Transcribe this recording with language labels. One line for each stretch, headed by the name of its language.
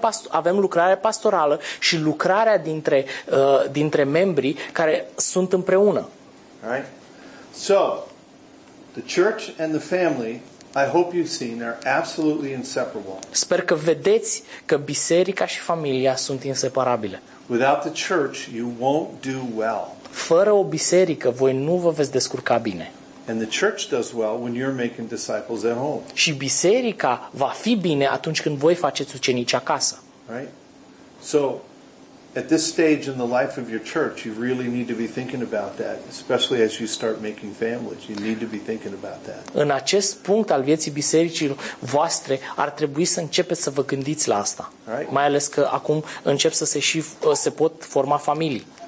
Romanian: Avem lucrare pastorală și lucrarea dintre membrii care sunt împreună. Right?
English: So the church and the family, I hope you've seen, they're absolutely inseparable.
Romanian: Sper că vedeți că biserica și familia sunt inseparabile.
English: Without the church, you won't do well.
Romanian: Fără o biserică, voi nu vă veți descurca bine.
English: And the church does well when you're making disciples at home.
Romanian: Și biserica va fi bine atunci când voi faceți ucenici acasă.
English: Right? So, at this stage in the life of your church, you really need to be thinking about that, especially as you start making families. You need to be thinking about that.
Romanian: În acest punct al vieții bisericilor voastre, ar trebui să începeți să vă gândiți la asta.
English: Right?
Romanian: Mai ales că acum încep să se pot forma familii.